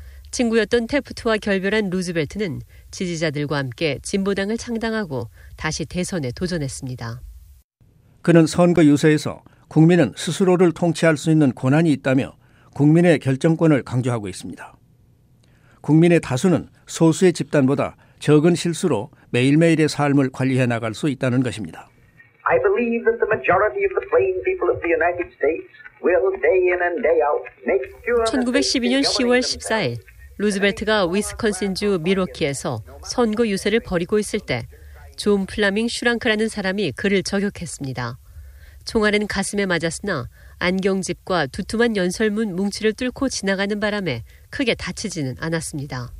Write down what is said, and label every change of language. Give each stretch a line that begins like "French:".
Korean: 친구였던 태프트와 결별한 루즈벨트는 지지자들과 함께 진보당을 창당하고 다시 대선에 도전했습니다. 그는 선거 유세에서 국민은 스스로를 통치할 수 있는 권한이 있다며 국민의 결정권을 강조하고 있습니다. 국민의 다수는 소수의 집단보다 적은 실수로 매일매일의 삶을 관리해 나갈 수 있다는 것입니다.
English: I believe that the majority of the plain people of the United States will day in and day out make sure.
Korean: 1912년 10월 14일 루즈벨트가 위스콘신주 밀워키에서 선거 유세를 벌이고 있을 때 존 플라밍 슈랑크라는 사람이 그를 저격했습니다. 총알은 가슴에 맞았으나 안경집과 두툼한 연설문 뭉치를 뚫고 지나가는 바람에 크게 다치지는 않았습니다.